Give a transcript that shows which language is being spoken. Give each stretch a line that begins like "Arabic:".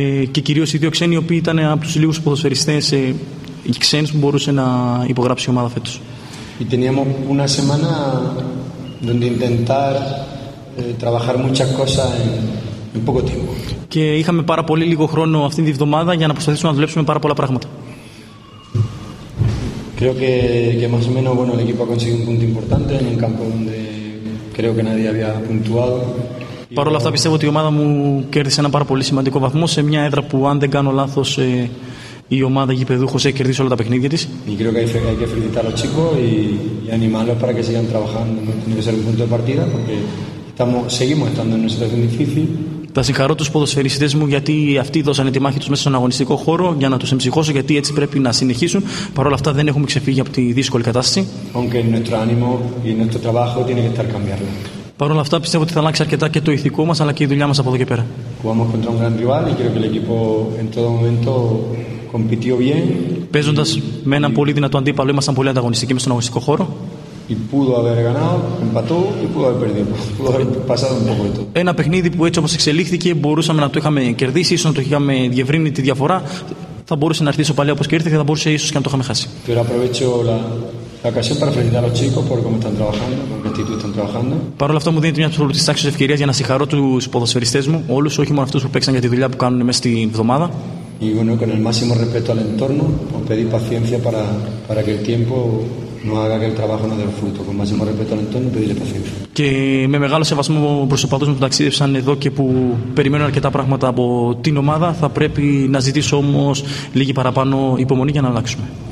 Greek: Και κυρίως οι δύο ξένοι, οι οποίοι ήταν από τους λίγους ποδοσφαιριστές ξένους που μπορούσε να υπογράψει η ομάδα φέτος.
Spanish: Y teníamos una semana donde intentar trabajar muchas cosas en poco tiempo.
Greek: Και είχαμε πάρα πολύ λίγο χρόνο αυτήν τη βδομάδα για να προσπαθήσουμε να δουλέψουμε πάρα πολλά πράγματα.
Spanish: Creo que más o menos bueno, el equipo ha conseguido un punto importante en un campo donde creo que nadie había puntuado.
Greek: Παρ' όλα αυτά πιστεύω ότι η ομάδα μου κέρδισε ένα πάρα πολύ σημαντικό βαθμό σε μια έδρα που, αν δεν κάνω λάθος, η ομάδα γηπεδούχος έχει κερδίσει όλα τα παιχνίδια της.
Spanish: Y creo que hay que felicitar a los chicos y animarlos para que sigan trabajando. Tiene que ser un punto de partida porque seguimos estando en una situación difícil.
Greek: Θα συγχαρώ τους ποδοσφαιριστές μου γιατί αυτοί δώσανε τη μάχη τους μέσα στον αγωνιστικό χώρο για να τους εμψυχώσω, γιατί έτσι πρέπει να συνεχίσουν. Παρ' όλα αυτά δεν έχουμε ξεφύγει από τη δύσκολη κατάσταση.
Spanish: Aunque nuestro ánimo y nuestro trabajo tiene que estar cambiando.
Greek: Παρ' όλα αυτά πιστεύω ότι θα αλλάξει αρκετά και το ηθικό μας αλλά και η δουλειά μας από εδώ και πέρα.
Spanish: Jugamos contra un gran rival y creo que el equipo en todo momento compitió bien.
Greek: Παίζοντας με έναν πολύ δυνατό αντίπαλο, ήμασταν πολύ ανταγωνιστικοί μέσα στον αγωνιστικό χώρο.
Spanish: Y pudo haber ganado, empató y pudo haber perdido. Pudo haber pasado un poco esto.
Greek: Ένα παιχνίδι που έτσι όπως εξελίχθηκε μπορούσαμε να το είχαμε κερδίσει, ίσως να το είχαμε διευρύνει τη διαφορά. Θα μπορούσε να έρθει στο παλιό όπως και ήρθε και θα μπορούσε ίσως και να το είχαμε χάσει.
Spanish: Pero aprovecho la ocasión para felicitar a los chicos por cómo están trabajando, con qué actitud están trabajando.
Greek: Παρ' όλα αυτά μου δίνεται μια απολύτως άξιος ευκαιρίας για να συγχαρώ τους ποδοσφαιριστές μου, όλους, όχι μόνο αυτούς που παίξαν για τη δουλειά που κάνουν μέσα στη βδομάδα.
Spanish: Y bueno, con el máximo respeto al entorno, os pedí paciencia para que el tiempo no haga que el trabajo no dé fruto. Con máximo respeto al entorno, pedíle paciencia.
Greek: Και με μεγάλο σεβασμό προς τους οπαδούς μου που ταξίδευσαν εδώ και που περιμένουν αρκετά πράγματα από την ομάδα, θα πρέπει να ζητήσω όμως λίγη παραπάνω υπομονή για να αλλάξουμε.